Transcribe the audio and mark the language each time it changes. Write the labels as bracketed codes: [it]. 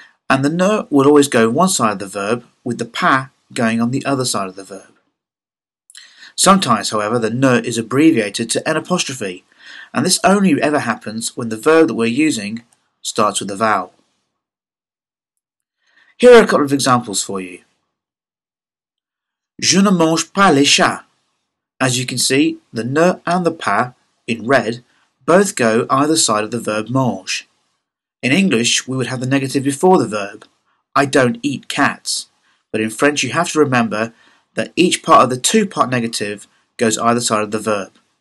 [en] And the ne would always go on one side of the verb, with the pas going on the other side of the verb. Sometimes, however, the ne is abbreviated to an apostrophe, and this only ever happens when the verb that we're using starts with a vowel. Here are a couple of examples for you. [fr] Je ne mange pas les chats. [en] As you can see, the ne and the pas, in red, both go either side of the verb mange. In English, we would have the negative before the verb. I don't eat cats. But in French, you have to remember that each part of the two-part negative goes either side of the verb.